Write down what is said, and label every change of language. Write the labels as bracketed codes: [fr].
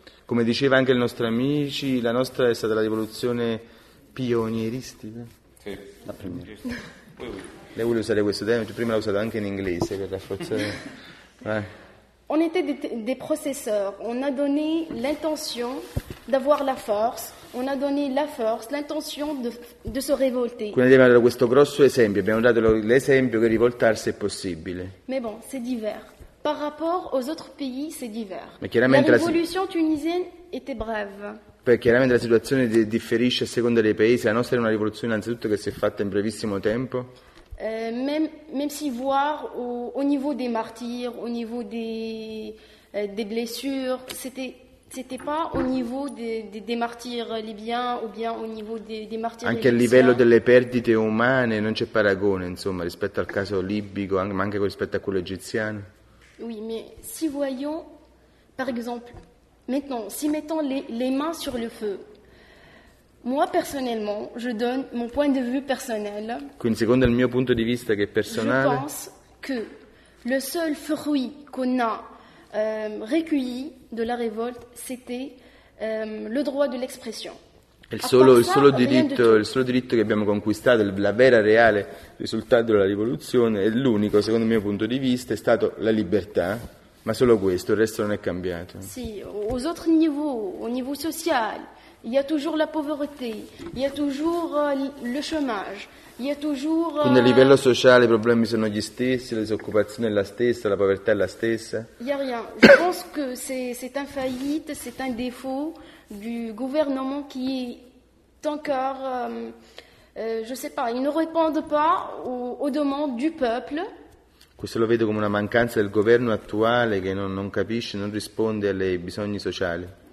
[it] Come diceva anche il nostro amico, la nostra è stata la rivoluzione pionieristica. Sì, la prima. Lei vuole usare questo termine, prima l'ha usato anche in inglese per rafforzare. [fr] On était des processeurs. On a donné l'intention d'avoir la force. On a donné la force, l'intention de se révolter. [it] Quindi abbiamo dato questo grosso esempio. Abbiamo dato l'esempio che rivoltarsi è possibile. [fr] Mais bon, c'est divers. Par rapport aux autres pays, c'est divers. [it] Ma chiaramente la rivoluzione [fr] tunisienne était brève. [it] Perché chiaramente la situazione differisce a seconda dei paesi. La nostra è una rivoluzione innanzitutto che si è fatta in brevissimo tempo. [fr] Même si voir au niveau des martyrs, au niveau des blessures, c'était pas au niveau des martyrs libyens ou bien au niveau des martyrs. [it] Anche a livello delle perdite umane non c'è paragone, insomma, rispetto al caso libico, ma anche rispetto a quello egiziano. [fr] Oui, mais si voyons, par exemple, maintenant, si mettons les mains sur le feu. Moi personnellement, je donne mon point de vue personnel. [it] Quindi secondo il mio punto di vista che è personale, [fr] je pense que le seul fruit qu'on a recueilli de la révolte, c'était le droit de l'expression. [it] Il solo diritto che abbiamo conquistato, la vera reale risultato della rivoluzione, è l'unico, secondo il mio punto di vista, è stato la libertà. Ma solo questo, il resto non è cambiato. [fr] Sì, aux autres niveaux, au niveau social. Il y a toujours la pauvreté, il y a toujours le chômage, il y a toujours... [it] Quindi a livello sociale i problemi sono gli stessi, la disoccupazione è la stessa, la povertà è la stessa? [fr] Il y a rien. Je pense que c'est un faillite, c'est un défaut du gouvernement qui est encore, je sais pas, il ne répond pas aux demandes du peuple. [it] Questo lo vedo come una mancanza del governo attuale che non capisce, non risponde alle bisogni sociali.